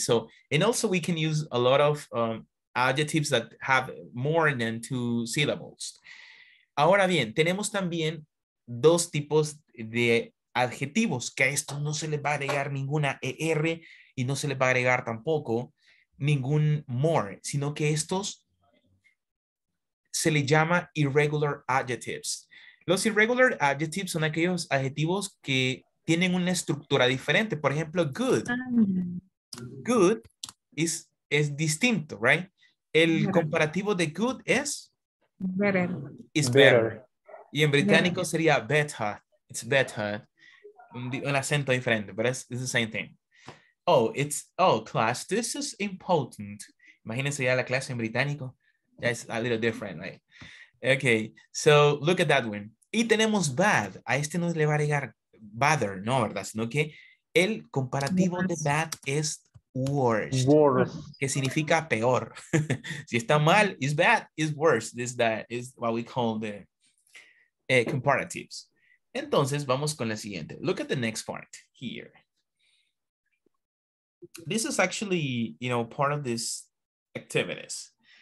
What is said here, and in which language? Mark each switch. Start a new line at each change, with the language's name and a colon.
English: So, and also we can use a lot of adjectives that have more than two syllables.
Spanish: Ahora bien, tenemos también dos tipos de adjetivos, que a esto no se le va a agregar ninguna ER y no se le va a agregar tampoco ningún more, sino que estos se le llama irregular adjectives. Los irregular adjectives son aquellos adjetivos que tienen una estructura diferente. Por ejemplo, good. Good es distinto,
English: right?
Spanish: El comparativo de good es
English: better. Is better.
Spanish: Y en británico sería
English: better. It's better.
Spanish: Un acento diferente,
English: but it's the same thing. Class, this is important.
Spanish: Imagínense ya la clase en británico.
English: That's a little different, right? Okay, so look at that one.
Spanish: Y tenemos
English: bad.
Spanish: A este no le va a agregar bother, no, ¿verdad? Sino que el comparativo de bad es worst. Que significa peor. Si está mal,
English: is bad, is worse. This that is what we call the comparatives.
Spanish: Entonces, vamos con la siguiente.
English: Look at the next part here. This is actually, you know, part of this activities.